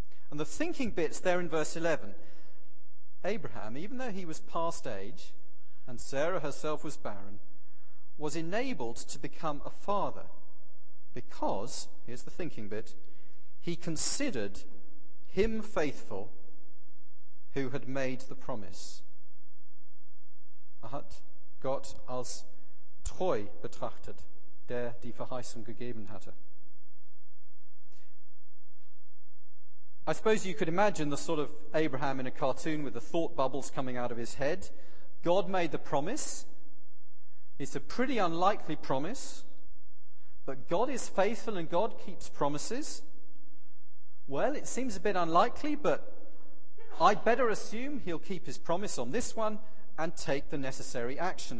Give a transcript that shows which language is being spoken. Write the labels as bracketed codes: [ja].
[en] And the thinking bit's there in verse 11. Abraham, even though he was past age, and Sarah herself was barren, was enabled to become a father because, here's the thinking bit, he considered him faithful who had made the promise. [de] Er hat Gott als treu betrachtet, der die Verheißung gegeben hatte. [en] I suppose you could imagine the sort of Abraham in a cartoon with the thought bubbles coming out of his head. God made the promise. It's a pretty unlikely promise. But God is faithful and God keeps promises. Well, it seems a bit unlikely, but I'd better assume he'll keep his promise on this one and take the necessary action.